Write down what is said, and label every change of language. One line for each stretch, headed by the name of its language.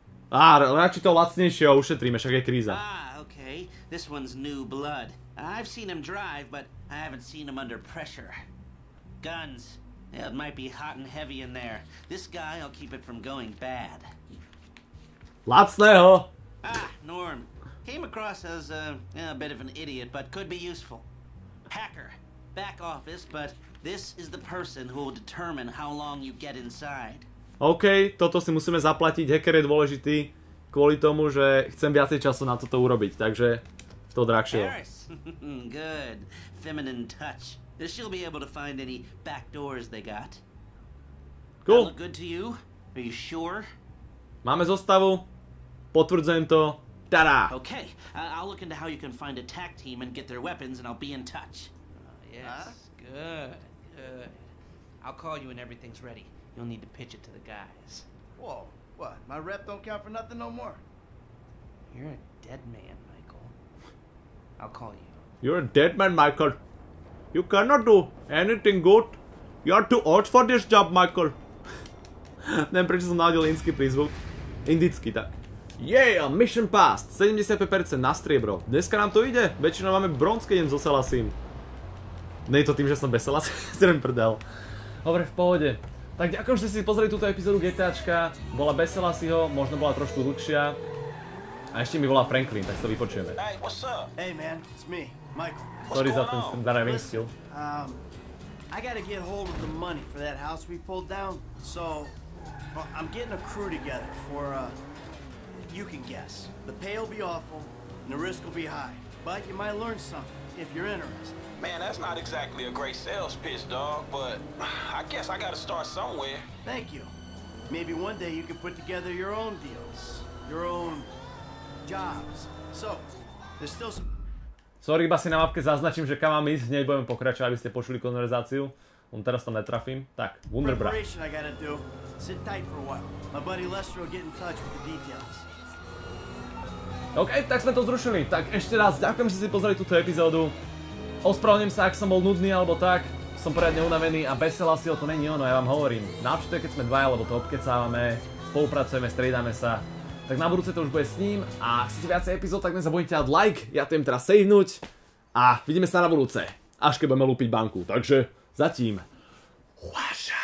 Slovak: Radšej to lacnejšie, ušetríme, však je kríza.
English: Okay. This one's new blood. I've seen him drive, but I haven't seen him under pressure. Guns. Yeah, it might be hot and heavy in there. This guy, I'll keep it from going bad.
Slovak: Lacného!
English: Norm. Came across as a bit of an idiot, but could be useful. Hacker. Back office, but this is the person who will determine how long you get inside.
Slovak: OK, toto si musíme zaplatiť. Hacker je dôležitý kvôli tomu, že chcem viacej času na toto urobiť, takže to drahšie.
English: Paris. Good. Feminine touch. She'll be able to find any back doors they got. Cool. That look good to you? Are you sure?
Slovak: Máme zostavu. Potvrdzujem to. Tada!
English: Okay, I'll look into how you can find a tech team and get their weapons and I'll be in touch. Yes, good. I'll call you when everything's ready. You'll need to pitch it to the guys. Whoa, what? My rep don't count for nothing no more? You're a dead man, Michael. I'll call you. You're a dead man, Michael. You cannot do anything good. You're too old for this job, Michael.
Slovak: Neviem, prečo som nahodil indický prízvuk. Indický, tak. Yeah, mission passed. 75% na striebro. Dneska nám to ide. Väčšinou máme bronzky, idem so Selassiem. Nie je to tým, že som bez Selassie. Zrem prdel. Dobre, v pohode. Tak ďakujem, že ste si pozreli túto epizódu GTAčka. Bola bez Selassieho, možno bola trošku hlubšia. A ešte mi volá Franklin, tak si to vypočujeme.
English: Hey, what's up? Hey, man, it's me, Michael. Sorry
Slovak: za ten zdarajný stil.
English: I gotta get hold of the money for that house we pulled down. So, I'm getting a crew together for, you can guess. The pay will be awful, and the risk will be high. But you might learn something, if you're interested. Man, that's not exactly a great sales pitch, dog. But I guess I gotta start somewhere. Thank you. Maybe one day you can put together your own deals. Your own jobs. So, there's still some...
Slovak: Sorry, iba si na mapke zaznačím, že kam mám ísť, hneď budeme pokračovať, aby ste počuli konverzáciu. On teraz tam netrafím. Tak, Wunderbra.
English: Preparation I gotta do. Sit tight for a while. My buddy Lester will get in touch with the details.
Slovak: OK, tak sme to zrušili. Tak ešte raz, ďakujem, že si pozreli túto epizódu. Ospravedlňujem sa, ak som bol nudný alebo tak. Som poriadne unavený a bez Selassieho to není ono, ja vám hovorím. Navštívte, keď sme dvaja, lebo to obkecávame, spolupracujeme, striedame sa. Tak na budúce to už bude s ním a ak chcete viacej epizód, tak nezabudnite dať like, ja to im teraz savenúť a vidíme sa na budúce, až keď budeme lúpiť banku. Takže zatím. Wow.